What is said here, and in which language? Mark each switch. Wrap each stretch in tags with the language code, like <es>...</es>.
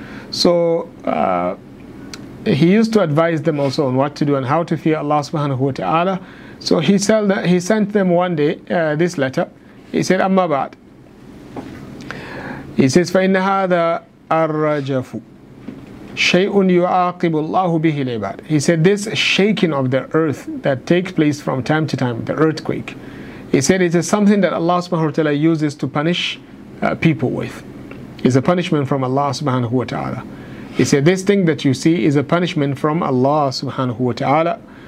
<en>So he used to advise them also on what to do and how to fear Allah subhanahu wa ta'ala. So he sent them one day this letter. He said, Amma ba'd. He says,</en> <ar>فَإِنَّ هَذَا أَرَّجَفُ شَيْءٌ يُعَاقِبُ اللَّهُ بِهِ الْعِبَادِ.</ar> <en>He said, this shaking of the earth that takes place from time to time, the earthquake, he said, it is something that Allah subhanahu wa ta'ala uses to punish people with. It's a punishment from Allah subhanahu wa ta'ala. He said, this thing that you see is a punishment from Allah subhanahu wa ta'ala.</en>